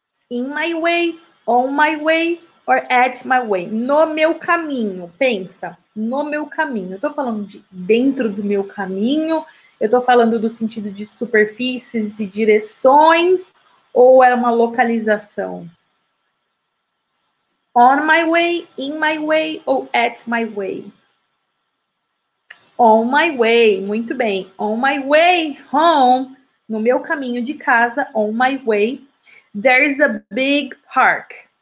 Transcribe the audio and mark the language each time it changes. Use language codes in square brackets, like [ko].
[en] In my way, on my way, or at my way. [pt] No meu caminho, pensa. No meu caminho. Eu estou falando de dentro do meu caminho, eu estou falando do sentido de superfícies e direções, ou é uma localização? [en] On my way, in my way, [pt] ou [en] at my way? On my way, [pt] muito bem. [en] On my way home, [pt] no meu caminho de casa, [en] on my way, there is a big park.